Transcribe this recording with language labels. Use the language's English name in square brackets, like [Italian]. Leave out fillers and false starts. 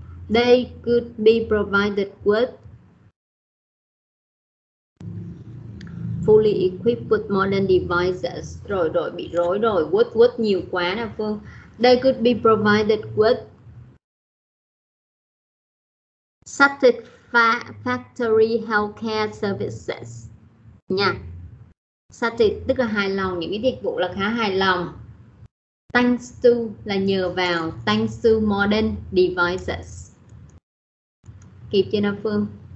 [English] They could be provided with fully equipped with modern devices. [Vietnamese] Rồi rồi bị rối rồi, with nhiều quá nè Phương. [English] They could be provided with satisfactory healthcare services. Nha. [Vietnamese] Satisfactory tức là hài lòng, những cái dịch vụ là khá hài lòng. Thanks to là nhờ vào, [English] thanks to modern devices. [Vietnamese] Kịp chưa nào Phương?